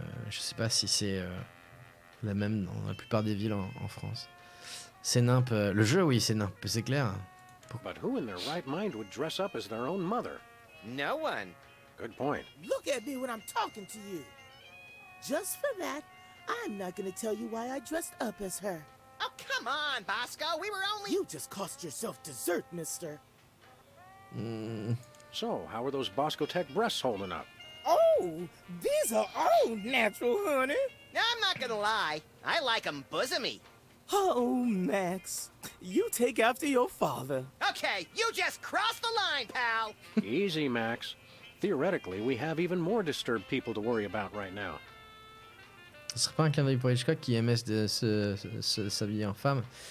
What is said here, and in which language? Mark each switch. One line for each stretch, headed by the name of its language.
French: Je sais pas si c'est la même dans la plupart des villes en France. C'est nimp, le jeu oui c'est nimp, c'est clair.
English: But who in their right mind would dress up as their own mother? No one. Good point. Look at me when I'm talking to you. Just for that, I'm not going to tell you why I dressed up as her. Oh, come on, Bosco. We were only... You just cost yourself dessert, mister. So, how are those Bosco Tech breasts holding up? Oh, these are all natural, honey. Now, I'm not going to lie. I like them bosomy. Oh, Max, you take after your father. Okay, you just crossed the line, pal. Easy, Max. Theoretically, we have even more disturbed people to worry about right now.
French: Ce serait pas un clin d'œil pour Hitchcock qui aimait se s'habiller en femme.